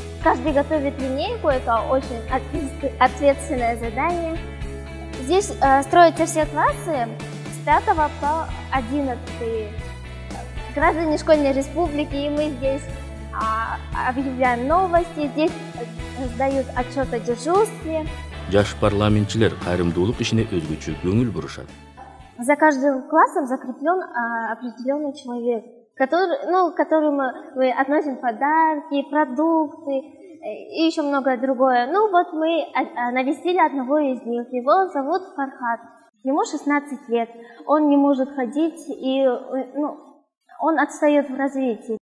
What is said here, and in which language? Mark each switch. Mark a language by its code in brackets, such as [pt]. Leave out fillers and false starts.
[ru] Каждый готовит линейку. Это очень ответственное задание. Здесь строятся все классы с 5 по 11. Граждане школьной республики, и мы здесь объявляем новости, здесь сдают отчет о дежурстве. [ky] Жаш парламентчилер кайрымдуулук ишине өзгөчө көңүл бурушат. [ru] За каждым классом закреплен определенный человек, которому мы относим подарки, продукты и еще многое другое. Ну вот мы навестили одного из них, его зовут Фархат. Ему 16 лет, он не может ходить и он отстает в развитии.